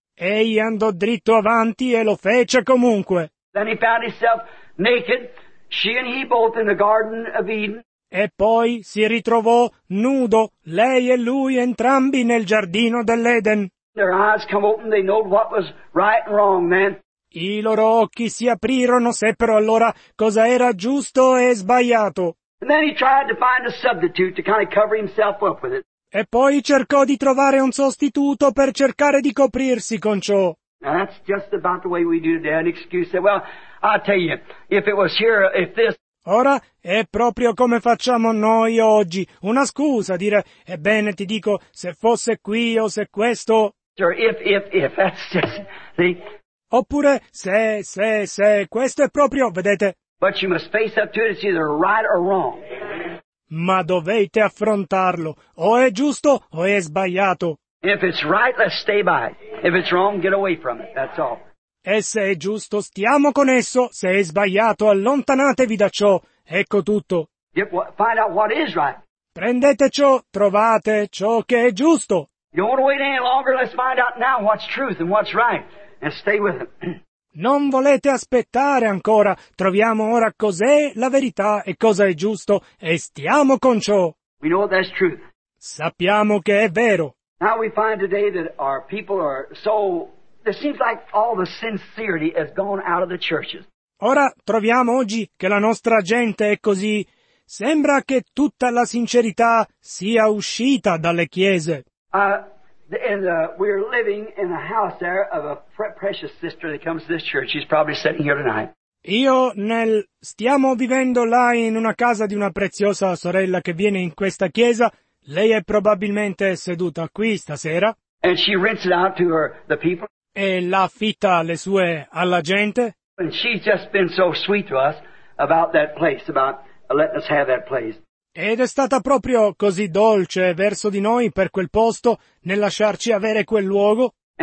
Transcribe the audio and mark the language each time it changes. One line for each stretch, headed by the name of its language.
Italian: Egli andò dritto avanti e lo fece comunque.
English: Then he found himself naked, she and he both in the Garden of Eden.
Italian: E poi si ritrovò nudo, lei e lui entrambi nel giardino dell'Eden.
English: Their eyes come open, they know what was right and wrong, man.
Italian: I loro occhi si aprirono, seppero allora cosa era giusto e sbagliato.
English: And then he tried to find a substitute to kind of cover himself up with it.
Italian: E poi cercò di trovare un sostituto per cercare di coprirsi con ciò.
English: Now that's just about the way we do today, an excuse. Well, I tell you, if it was here, if this...
Italian: Ora è proprio come facciamo noi oggi, una scusa, dire, ebbene, ti dico, se fosse qui o se questo...
English: Or if, that's just... See?
Italian: Oppure, se, questo è proprio, vedete...
English: But you must face up to it, it's either right or wrong.
Italian: Ma dovete affrontarlo. O è giusto o è sbagliato.
English: If it's right, let's stay by it. If it's wrong, get away from it. That's all.
Italian: E se è giusto, stiamo con esso. Se è sbagliato, allontanatevi da ciò. Ecco tutto.
English: Find out what is right.
Italian: Prendete ciò, trovate ciò che è giusto.
English: You don't want to wait any longer, let's find out now what's truth and what's right. And stay with it.
Italian: Non volete aspettare ancora, troviamo ora cos'è la verità e cosa è giusto, e stiamo con ciò.
English: We know that's truth.
Italian: Sappiamo che è vero.
English: Now we find today that our people are so, it seems like all the sincerity has gone out of the churches.
Italian: Ora troviamo oggi che la nostra gente è così, sembra che tutta la sincerità sia uscita dalle chiese.
English: We're living in a house there of a precious sister that comes to this church. She's probably sitting here tonight.
Italian: Stiamo vivendo là in una casa di una preziosa sorella che viene in questa chiesa. Lei è probabilmente seduta qui stasera.
English: And she rents it out to the people.
Italian: E l'affitta alle sue alla gente.
English: And she's just been so sweet to us about that place, about letting us have that place.
Italian: Ed è stata proprio così dolce verso di noi per quel posto, nel lasciarci avere quel luogo.